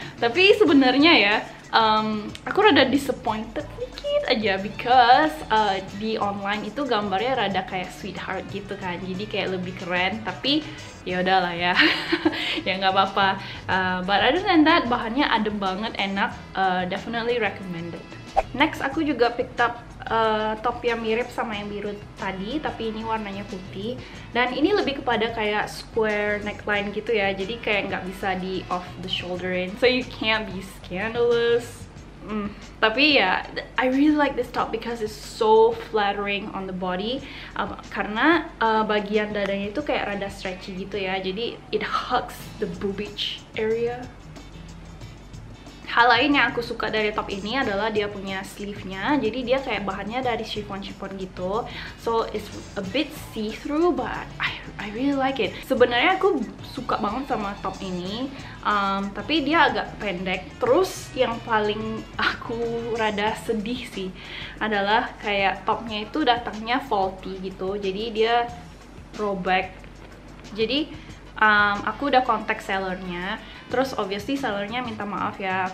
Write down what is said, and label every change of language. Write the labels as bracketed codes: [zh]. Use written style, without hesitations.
[id] Tapi sebenarnya ya, aku rada disappointed dikit aja, because di online itu gambarnya rada kayak sweetheart gitu kan, jadi kayak lebih keren. Tapi yaudahlah ya, ya nggak apa-apa. [en] But other than that, [id] bahannya adem banget, enak, [en] definitely recommended. [id] Next, aku juga picked up top yang mirip sama yang biru tadi, tapi ini warnanya putih. Dan ini lebih kepada kayak square neckline gitu ya, jadi kayak nggak bisa di [en] off the shoulder [id] in, [en] so you can't be scandalous. [id] Tapi ya, [en] I really like this top because it's so flattering on the body. [id] Karena bagian dadanya itu kayak rada stretchy gitu ya, jadi [en] it hugs the boobage area. [id] Hal lain yang aku suka dari top ini adalah dia punya sleeve-nya. Jadi dia kayak bahannya dari chiffon-chiffon gitu. [en] So it's a bit see-through, but I really like it. [id] Sebenarnya aku suka banget sama top ini. Tapi dia agak pendek. Terus yang paling aku rada sedih sih adalah kayak topnya itu datangnya faulty gitu. Jadi dia throwback. Jadi aku udah kontak sellernya, terus obviously sellernya minta maaf ya.